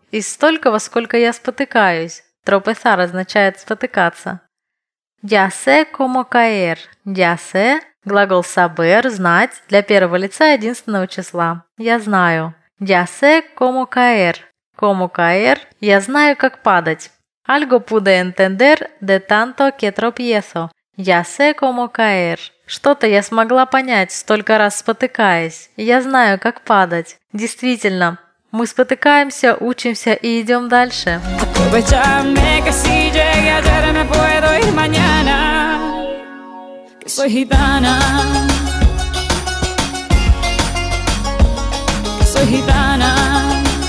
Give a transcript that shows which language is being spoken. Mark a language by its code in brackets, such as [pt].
[ru] Из столького, сколько я спотыкаюсь. Tropezar означает спотыкаться. [es] Я sé cómo caer. [ru] Я [es] sé [ru] – глагол saber – знать для первого лица единственного числа. Я знаю. Я [es] sé cómo caer. Cómo caer [ru] – я знаю, как падать. [es] Algo pude entender de tanto que tropiezo. Я sé cómo caer. [ru] Что-то я смогла понять, столько раз спотыкаясь. Я знаю, как падать. Действительно, мы спотыкаемся, учимся и идем дальше. [es] Aprovechame que si llegué ayer me puedo ir mañana. que soy gitana. Que soy gitana.